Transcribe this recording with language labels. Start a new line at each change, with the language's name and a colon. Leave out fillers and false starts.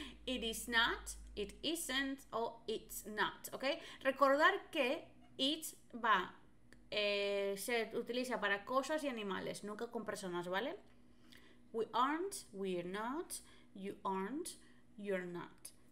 English: It is not, it isn't o it's not, ¿ok?
Spanish: Recordar que it va, se utiliza para cosas y animales, nunca con personas, ¿vale?
English: We aren't, we're not, you aren't, you're not.